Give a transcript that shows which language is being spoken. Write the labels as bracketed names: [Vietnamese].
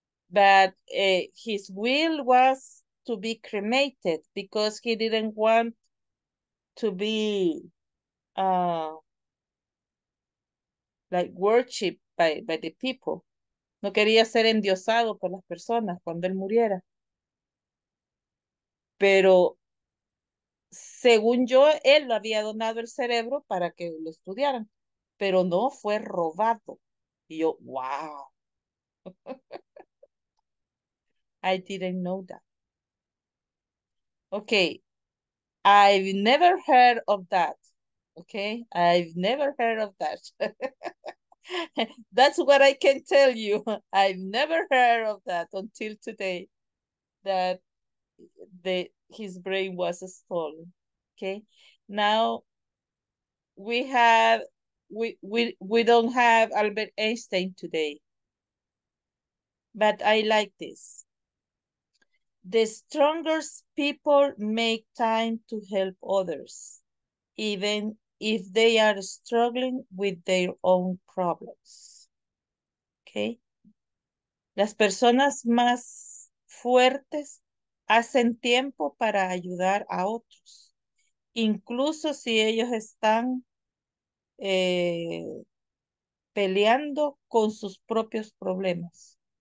[English] But his will was to be cremated because he didn't want to be like worshipped by the people. [Spanish] No quería ser endiosado por las personas cuando él muriera. Pero según yo, él lo había donado el cerebro para que lo estudiaran, pero no fue robado. Y yo, wow. [English] I didn't know that. Okay, I've never heard of that. Okay, I've never heard of that. That's what I can tell you. I've never heard of that until today, that his brain was stolen. Okay, now we don't have Albert Einstein today, but I like this. The strongest people make time to help others, even if they are struggling with their own problems. Okay. [Spanish] Las personas más fuertes hacen tiempo para ayudar a otros, incluso si ellos están peleando con sus propios problemas.